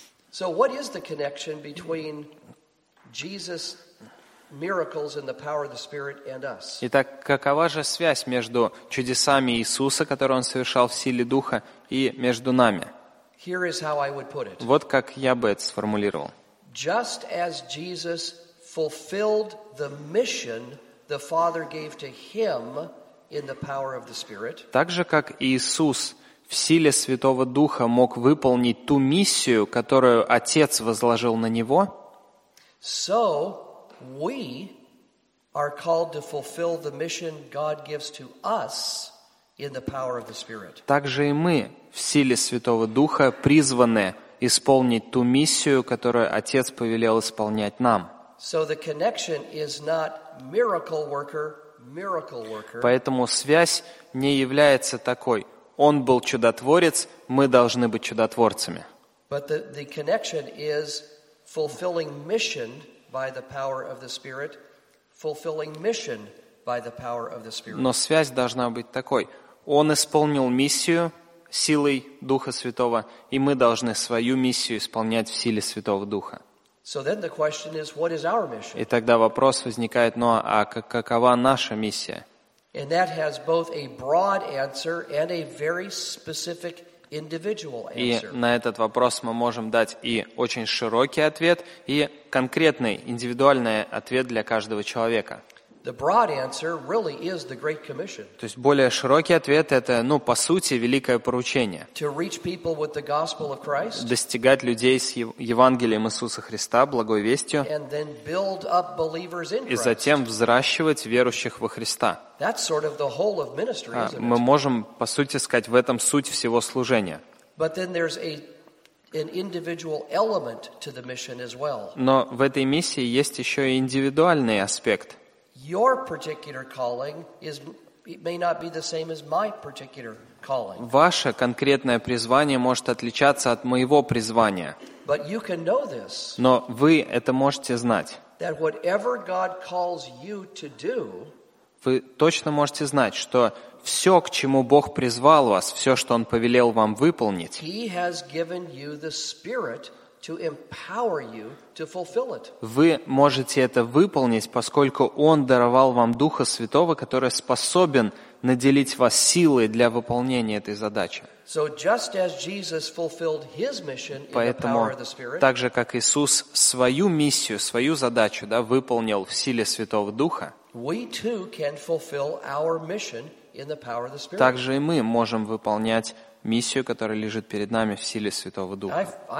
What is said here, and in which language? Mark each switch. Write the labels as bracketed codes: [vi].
[en] So what is the connection between Jesus' miracles and the power of the Spirit and us? [ru] Итак, какова же связь между чудесами Иисуса, которые Он совершал в силе Духа, и между нами? [en] Here is how I would put it. [ru] Вот как я бы это сформулировал. [en] Just as Jesus fulfilled the mission the Father gave to Him in the power of the Spirit. [ru] Так же, как Иисус в силе Святого Духа мог выполнить ту миссию, которую Отец возложил на Него, [en] so we are called to fulfill the mission God gives to us in the power of the Spirit. [ru] Также и мы в силе Святого Духа призваны исполнить ту миссию, которую Отец повелел исполнять нам. [en] So the connection is not miracle worker, miracle worker. [ru] Поэтому связь не является такой: Он был чудотворец, мы должны быть чудотворцами. [en] But the connection is fulfilling mission by the power of the Spirit, fulfilling mission by the power of the Spirit. [ru] Но связь должна быть такой: Он исполнил миссию силой Духа Святого, и мы должны свою миссию исполнять в силе Святого Духа. [en] So then the question is, what is our mission? [ru] И тогда вопрос возникает: ну а какова наша миссия? [en] And that has both a broad answer and a very specific individual answer. [ru] И на этот вопрос мы можем дать и очень широкий ответ, и конкретный индивидуальный ответ для каждого человека. [en] The broad answer really is the Great Commission. [ru] То есть более широкий ответ — это, ну, по сути, великое поручение. [en] To reach people with the gospel of Christ. [ru] Достигать людей с Евангелием Иисуса Христа, благой вестью. [en] And then build up believers in Christ. [ru] И затем взращивать верующих во Христа. [en] That's sort of the whole of ministry, isn't it? [ru] Мы можем, по сути, сказать, в этом суть всего служения. [en] But then there's an individual element to the mission as well. [ru] Но в этой миссии есть еще и индивидуальный аспект. [en] Your particular calling is it may not be the same as my particular calling. [ru] Ваше конкретное призвание может отличаться от моего призвания. [en] But you can know this. [ru] Но вы это можете знать. [en] That whatever God calls you to do. [ru] Вы точно можете знать, что все, к чему Бог призвал вас, все, что Он повелел вам выполнить. [en] He has given you the Spirit to empower you to fulfill it. [ru] Вы можете это выполнить, поскольку Он даровал вам Духа Святого, который способен наделить вас силой для выполнения этой задачи. [en] So just as Jesus fulfilled his mission in the power of the Spirit. [ru] Так же, как Иисус свою миссию, свою задачу, да, выполнил в силе Святого Духа. [en] We too can fulfill our mission in the power of the Spirit. [ru] Также и мы можем выполнять миссию, которая лежит перед нами в силе Святого Духа.